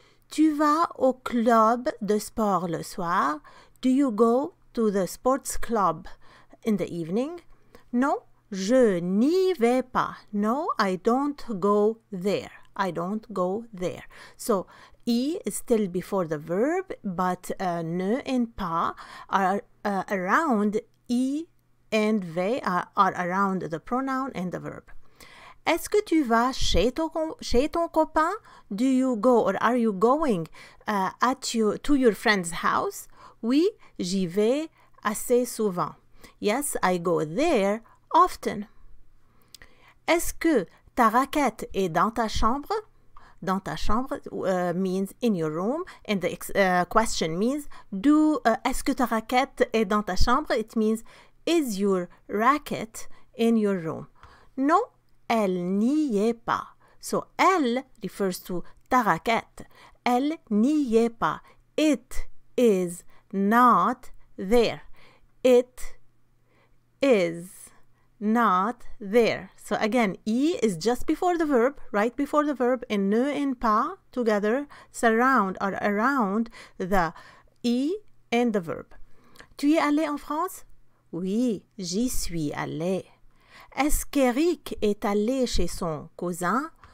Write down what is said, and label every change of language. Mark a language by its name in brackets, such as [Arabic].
[French] Tu vas au club de sport le soir? [English] Do you go to the sports club in the evening? [French] Non, je n'y vais pas. [English] No, I don't go there. I don't go there. So, I is still before the verb, but ne and pas are around I and ve are around the pronoun and the verb. [French] Est-ce que tu vas chez ton copain? [English] Do you go or are you going to your friend's house? [French] Oui, j'y vais assez souvent. [English] Yes, I go there often. [French] Est-ce que ta raquette est dans ta chambre? Dans ta chambre [English] means in your room. And the question means, [French] est-ce que ta raquette est dans ta chambre? [English] It means, is your racket in your room? [French] Non, elle n'y est pas. So, elle [English] refers to [French] ta raquette. Elle n'y est pas. [English] It is not there. It is not there. So again, I is just before the verb, right before the verb, and ne and pas together surround or around the I and the verb. [French] Tu es allé en France? Oui, j'y suis allé. Est-ce qu'Eric est allé chez son cousin?